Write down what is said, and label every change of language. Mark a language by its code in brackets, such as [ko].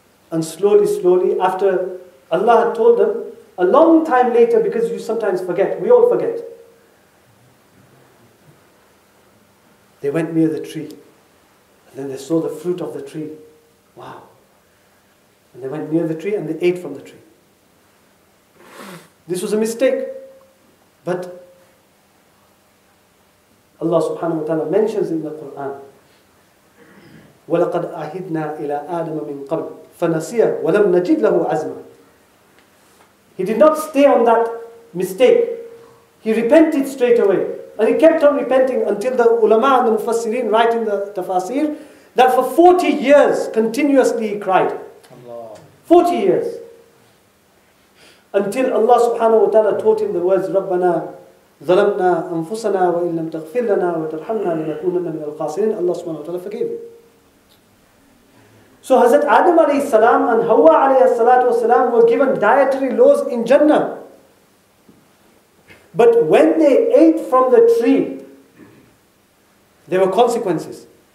[en] And slowly, slowly, after Allah had told them, a long time later, because you sometimes forget, we all forget, they went near the tree. And then they saw the fruit of the tree. Wow. And they went near the tree and they ate from the tree. This was a mistake. But Allah subhanahu wa ta'ala mentions in the Quran, [ar] وَلَقَدْ أَهِدْنَا إِلَىٰ آدَمَ مِنْ قَبْلِ فَنَسِيَ وَلَمْ نَجِدْ لَهُ عَزْمًا. [en] He did not stay on that mistake. He repented straight away. And he kept on repenting until the ulama and the mufassirin write in the tafasir that for 40 years continuously he cried. Allah. 40 years. Until Allah subhanahu wa ta'ala taught him the words, [ar] رَبَّنَا ظَلَمْنَا أَنفُسَنَا وَإِنْ لَمْ تَغْفِرْ لَنَا وَتَرْحَمْنَا لَنَكُونَنَّ مِنَ الْقَاسِرِينَ. [en] Allah subhanahu wa ta'ala forgave him. So Hazrat Adam alayhi salam and Hawa alayhi salatu wasalam were given dietary laws in Jannah. But when they ate from the tree, there were consequences.